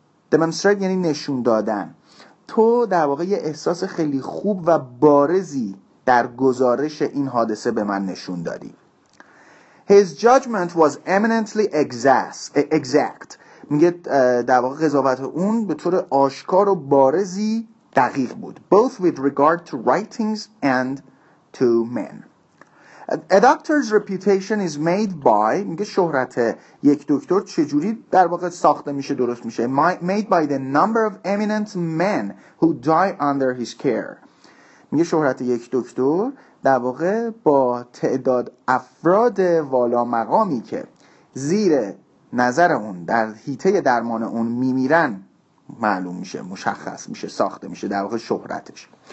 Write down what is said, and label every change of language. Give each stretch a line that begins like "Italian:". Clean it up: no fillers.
Persian: Demonstrate یعنی نشون دادن. تو در واقع یه احساس خیلی خوب و بارزی در گزارش این حادثه به من نشون دادی.
English: His judgment was eminently exact.
Persian: میگه در واقع قضاوت اون به طور آشکار و بارزی دقیق بود.
English: Both with regard to writings and to men. A doctor's reputation is made by,
Persian: میگه شهرت یک دکتر چجوری در واقع ساخته میشه، درست میشه.
English: Made by the number of eminent men who die under his care.
Persian: میگه شهرت یک دکتر در واقع با تعداد افراد والا مقامی که زیر نظر اون در حیطه درمان اون میمیرن معلوم میشه، مشخص میشه، ساخته میشه در واقع شهرتش.